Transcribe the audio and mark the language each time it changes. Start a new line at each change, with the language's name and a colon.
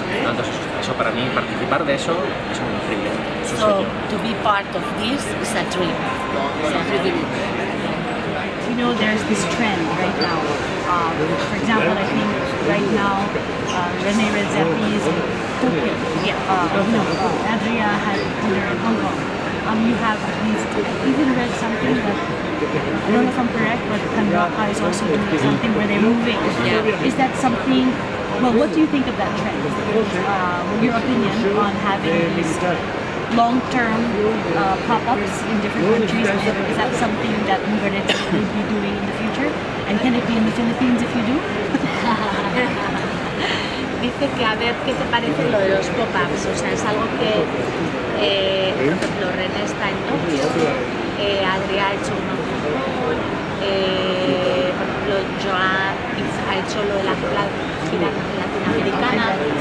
Spanish: No, entonces, eso para mí, participar de eso, es un privilegio.
English: So, to be part of this is a dream. It's a dream. You know, there's this trend right now. For example, I think right now, René Redzepi is in Tokyo. Adria had dinner in Hong Kong. You have at least, I even read something that, I don't know if I'm correct, but Kandaka is also doing something where they're moving. Yeah. Is that something Well, what do you think of that trend? Your opinion on having these long-term pop-ups in different countries, and is that something that Ingrid will be doing in the future? And can it be in the Philippines if you do?
Spanish: Dice que a ver qué te parece lo de los pop-ups, o sea, es algo que, por ejemplo, Ren está en Tokio, Adrián ha hecho uno en Japón, por ejemplo, Joan ha hecho lo de la gira latinoamericana.